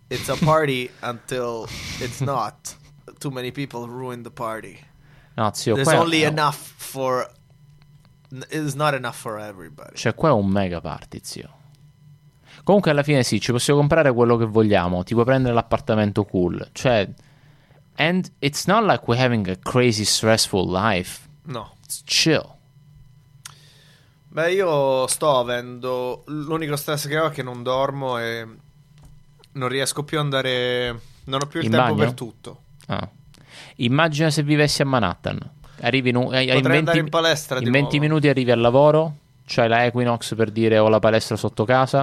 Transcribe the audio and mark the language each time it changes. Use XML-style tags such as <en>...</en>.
<en>It's a party until it's not. Too many people ruin the party.</en> <it>No, zio,</it> <en>there's only enough for... It's not enough for everybody.</en> <it>Cioè, qua è un mega party, zio. Comunque, alla fine sì, ci possiamo comprare quello che vogliamo. Tipo prendere l'appartamento cool. Cioè...</it> <en>And it's not like we're having a crazy stressful life. No. It's chill.</en> <it>Beh, io sto avendo... L'unico stress che ho è che non dormo e... Non riesco più a andare... Non ho più il in tempo bagno? Per tutto. Ah. Immagina se vivessi a Manhattan. Arrivi in 20 minuti arrivi al lavoro, c'hai cioè la Equinox per dire ho la palestra sotto casa.</it>